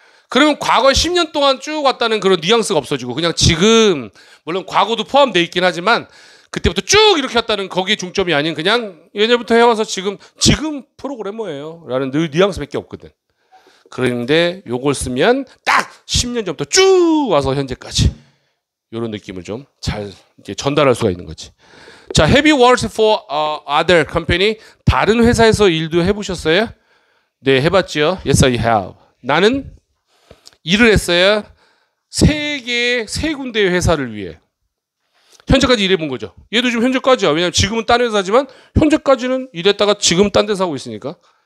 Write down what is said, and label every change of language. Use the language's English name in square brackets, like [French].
[Korean] 그러면 과거 10년 동안 쭉 왔다는 그런 뉘앙스가 없어지고 그냥 지금 물론 과거도 포함되어 있긴 하지만 그때부터 쭉 이렇게 왔다는 거기에 중점이 아닌 그냥 예전부터 해와서 지금 프로그래머예요 라는 늘 뉘앙스밖에 없거든. 그런데 요걸 쓰면 딱 10년 전부터 쭉 와서 현재까지 이런 느낌을 좀 잘 이렇게 전달할 수가 있는 거지. [English] 자, have you worked for other company? [Korean] 다른 회사에서 일도 해보셨어요? 네, 해봤죠. [English] Yes, I have. [Korean] 나는 일을 했어요. 세 군데의 회사를 위해. 현재까지 일해본 거죠. 얘도 지금 현재까지야. 왜냐하면 지금은 딴 회사지만 현재까지는 일했다가 지금 딴 데서 하고 있으니까.